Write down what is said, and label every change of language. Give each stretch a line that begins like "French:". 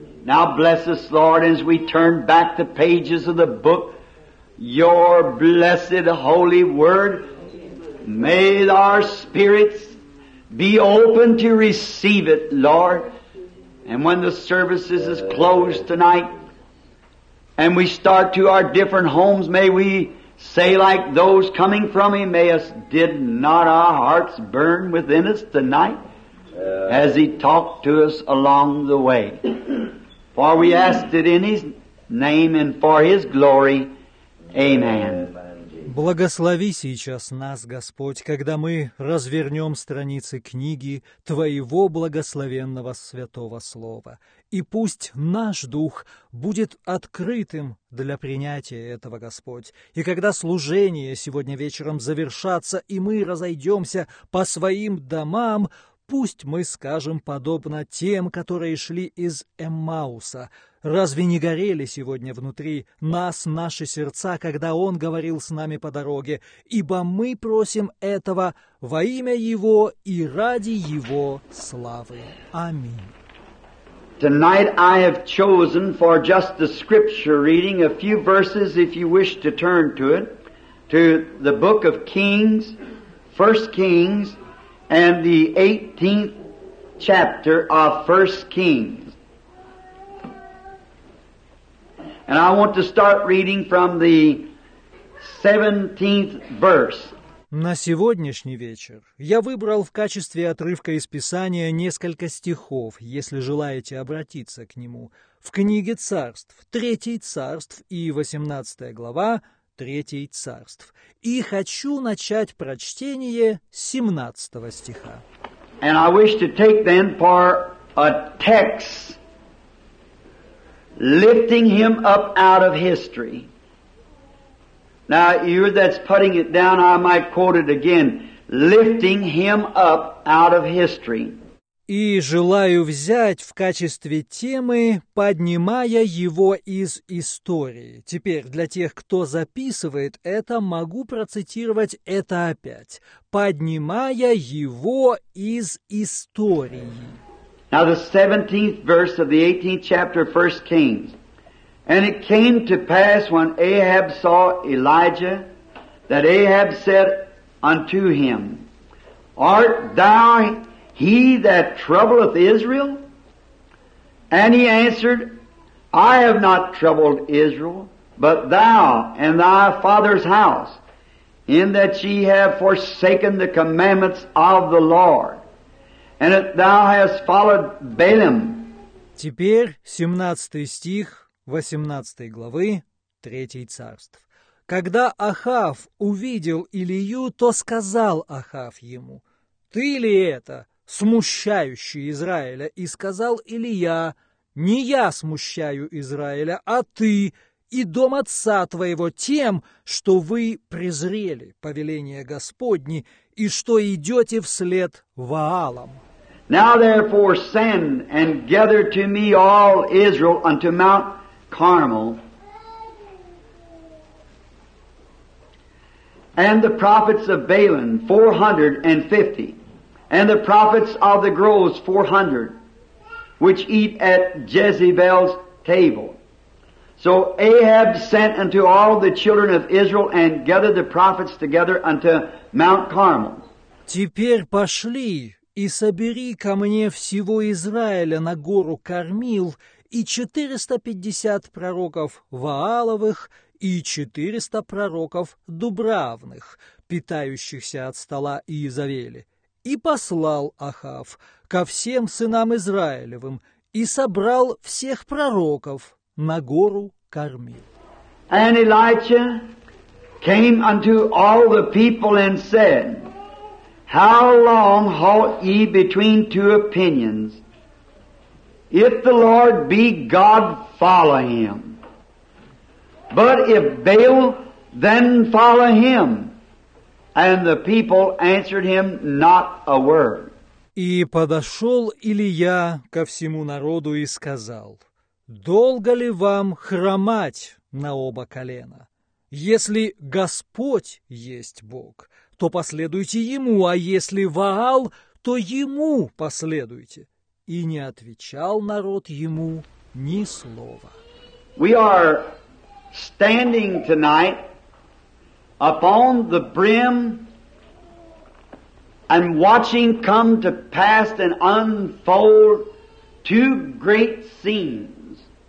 English: Now bless us, Lord, as we turn back the pages of the book, your blessed holy word. May our spirits be open to receive it, Lord. And when the services is closed tonight, and we start to our different homes, may we say like those coming from Emmaus, did not our hearts burn within us tonight as He talked to us along the way? For we asked it in His name and for His glory. Amen.
Russian: Благослови сейчас нас, Господь, когда мы развернем страницы книги Твоего благословенного святого слова. И пусть наш дух будет открытым для принятия этого, Господь. И когда служение сегодня вечером завершатся, и мы разойдемся по своим домам, пусть мы скажем подобно тем, которые шли из Эммауса. Разве не горели сегодня внутри нас наши сердца, когда Он говорил с нами по дороге? Ибо мы просим этого во имя Его и ради Его славы. Аминь.
English: Tonight I have chosen for just the scripture reading a few verses, if you wish to turn to it, to the book of Kings, 1 Kings, and the 18th chapter of 1 Kings. And I want to start reading from the 17th verse.
Russian: На сегодняшний вечер я выбрал в качестве отрывка из Писания несколько стихов, если желаете обратиться к нему, в книге Царств, 3 Царств и 18 глава, 3 Царств. И хочу начать прочтение 17 стиха.
English: And I wish to take then for a text, lifting him up out of history. Now, you that's putting it down, I might quote it again. Lifting him up out of history.
Russian: И желаю взять в качестве темы, поднимая его из истории. Теперь, для тех, кто записывает это, могу процитировать это опять. Поднимая его из истории.
English: Now, the 17th verse of the 18th chapter of 1 Kings. And it came to pass, when Ahab saw Elijah, that Ahab said unto him, Art thou he that troubleth Israel? And he answered, I have not troubled Israel, but thou and thy father's house. in that ye have forsaken the commandments of the Lord, and that thou hast followed Balaam.
Russian: Теперь 17 стих 18 главы 3 Царств. Когда Ахав увидел Илию, то сказал Ахав ему: «Ты ли это, смущающий Израиля?» И сказал Илия: «Не я смущаю Израиля, а ты и дом отца твоего тем, что вы презрели повеление Господне и что идете вслед Ваалам».
English: Now therefore send and gather to me all Israel unto Mount Carmel, and the prophets of Balaam 450, and the prophets of the groves 400, which eat at Jezebel's table. So Ahab sent unto all the children of Israel, and gathered the prophets together unto Mount Carmel.
Russian: Теперь пошли и собери ко мне всего Израиля на гору Кармил и 450 пророков Вааловых и 400 пророков Дубравных, питающихся от стола Иезавели. И послал Ахав ко всем сынам Израилевым и собрал всех пророков на гору Кармил.
English: And Elijah came unto all the people and said, How long halt ye between two opinions? If the Lord be God, follow him. But if Baal, then follow him. And the people answered him not a word.
Russian: И подошел Илия ко всему народу и сказал: «Долго ли вам хромать на оба колена? Если Господь есть Бог, то последуйте ему, а если Ваал, то ему последуйте». И не отвечал народ ему ни слова.
English: We are standing tonight upon the brim and watching come to pass and unfold two great scenes.